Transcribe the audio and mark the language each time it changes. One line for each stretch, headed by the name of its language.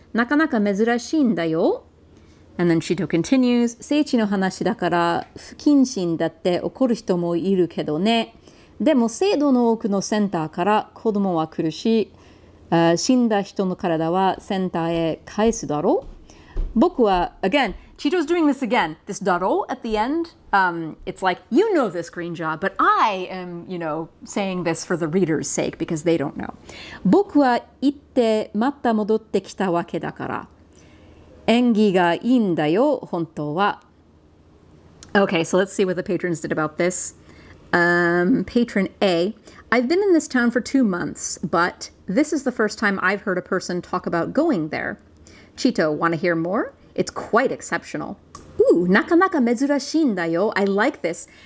Japanese: なかなか珍しいんだよ。
English: And then Chito continues,
Japanese: 聖地の話だから不謹慎だって怒る人もいるけどね。でも制度の奥のセンターから子供は来るし、死んだ人の体はセンターへ返すだろう。僕は、
English: again, Chito's doing this again, this
Japanese: だろう
English: at the end. It's like, you know this, Greenja, but I am, you know, saying this for the reader's sake because they don't know.
Japanese: 僕は行ってまた戻ってきたわけだから。演技がいいんだよ、本当は。
English: Okay, so let's see what the patrons did about this. Patron A, I've been in this town for 2 months, but this is the first time I've heard a person talk about going there. Chito, want to hear more? It's quite exceptional. Ooh,
Japanese: nakanaka mezurashin da yo.
English: I like this.